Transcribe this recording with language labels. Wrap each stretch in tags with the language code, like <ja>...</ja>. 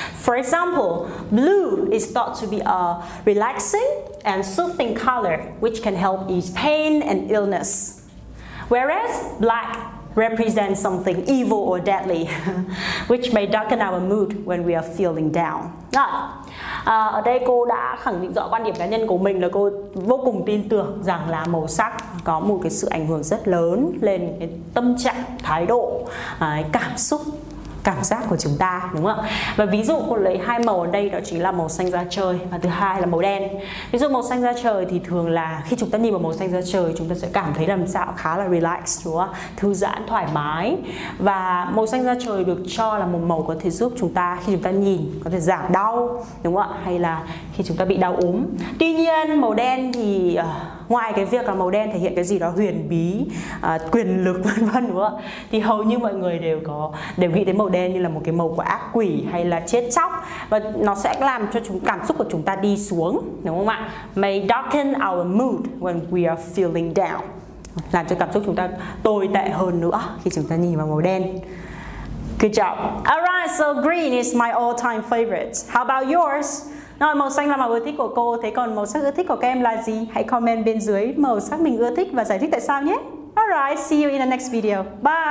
<en>For example, blue is thought to be a relaxing and soothing color, which can help ease pain and illness. Whereas black represents something evil or deadly, which may darken our mood when we are feeling down.</en> <vi>Ở đây cô đã khẳng định rõ quan điểm cá nhân của mình là cô vô cùng tin tưởng rằng là màu sắc có một cái sự ảnh hưởng rất lớn lên cái tâm trạng, thái độ, cảm xúc, cảm giác của chúng ta, đúng không ạ? Và ví dụ cô lấy hai màu ở đây đó chính là màu xanh da trời và thứ hai là màu đen. Ví dụ màu xanh da trời thì thường là khi chúng ta nhìn vào màu xanh da trời chúng ta sẽ cảm thấy làm sao khá là relax, đúng không ạ? Thư giãn, thoải mái. Và màu xanh da trời được cho là một màu có thể giúp chúng ta khi chúng ta nhìn có thể giảm đau, đúng không ạ? Hay là khi chúng ta bị đau ốm. Tuy nhiên màu đen thì ngoài cái việc là màu đen thể hiện cái gì đó huyền bí, quyền lực vân vân, đúng không ạ? Thì hầu như mọi người đều nghĩ đến màu đen như là một cái màu của ác quỷ hay là chết chóc, và nó sẽ làm cho cảm xúc của chúng ta đi xuống, đúng không ạ?</vi> <en>May darken our mood when we are feeling down.</en> <vi>Làm cho cảm xúc chúng ta tồi tệ hơn nữa khi chúng ta nhìn vào màu đen.</vi> <en>Good job. Alright, so green is my all-time favorite. How about yours?</en> <vi>Rồi, màu xanh là màu ưa thích của cô, thế còn màu sắc ưa thích của các em là gì? Hãy comment bên dưới màu sắc mình ưa thích và giải thích tại sao nhé.</vi> <en>Alright, see you in the next video.</en> <vi>Bye!</vi>